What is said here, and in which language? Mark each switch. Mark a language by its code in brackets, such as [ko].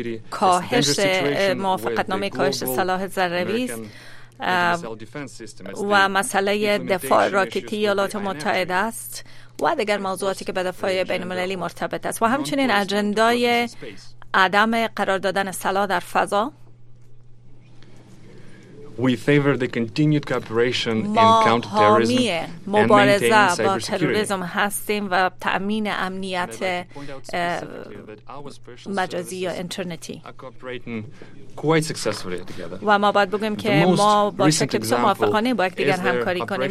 [fa] کاهش موافقتنامه کاهش سلاح ذروی است و مسئله دفاع راکتی ایالات متحده است و دیگر موضوعاتی که به دفاع بین المللی مرتبط است و همچنین اجندای عدم قرار دادن سلاح در فضا. [en] We favor the continued cooperation in counterterrorism and maintaining cybersecurity. [fa] و تأمین امنیت مجازی یا اینترنتی. و ما باید بگیم که ما با شکل سو موافقانه با یکدیگر همکاری کنیم.